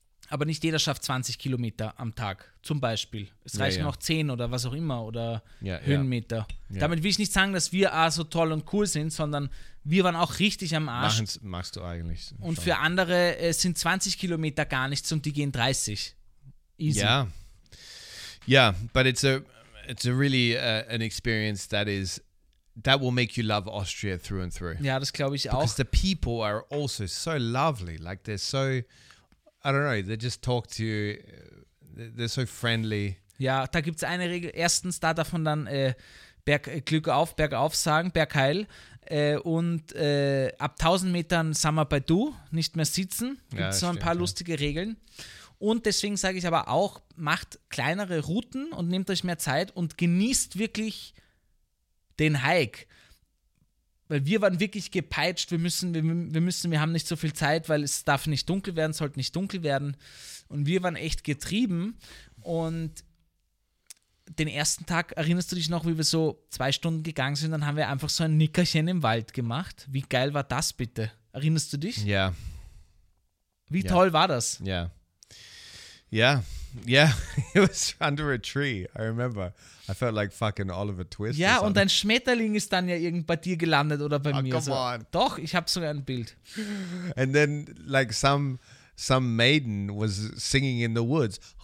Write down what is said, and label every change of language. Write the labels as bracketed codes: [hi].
[de] Aber nicht jeder schafft 20 Kilometer am Tag, zum Beispiel. Es reichen noch 10 oder was auch immer oder Höhenmeter. Yeah. Damit will ich nicht sagen, dass wir so toll und cool sind, sondern wir waren auch richtig am Arsch. Machst du eigentlich. Und schon. Für andere sind 20 Kilometer gar nichts und die gehen 30. [en] Easy. Yeah. Yeah, but it's a really an experience that will make you love Austria through and through. [de] Ja, das glaube ich auch. [en] Because the people are also so lovely. Like they're so... I don't know, they just talk to you, they're so friendly. [de] Ja, da gibt es eine Regel, erstens, da darf man dann Glück auf, bergauf sagen, bergheil und ab 1000 Metern sind wir bei du, nicht mehr sitzen, gibt es so ein paar lustige Regeln und deswegen sage ich aber auch, macht kleinere Routen und nehmt euch mehr Zeit und genießt wirklich den Hike. Weil wir waren wirklich gepeitscht, wir haben nicht so viel Zeit, weil es darf nicht dunkel werden, sollte nicht dunkel werden. Und wir waren echt getrieben. Und den ersten Tag, erinnerst du dich noch, wie wir so 2 Stunden gegangen sind, dann haben wir einfach so ein Nickerchen im Wald gemacht. Wie geil war das bitte? Erinnerst du dich? Ja. Wie toll war das? Ja. Ja. [en] Ja, it was under a tree, I remember. I felt like fucking Oliver Twist. [de] Ja, und ein Schmetterling ist dann ja irgend bei dir gelandet oder bei mir. [en] Come on. [de] Doch, ich habe sogar ein Bild. [en] And then like some maiden was singing in the woods.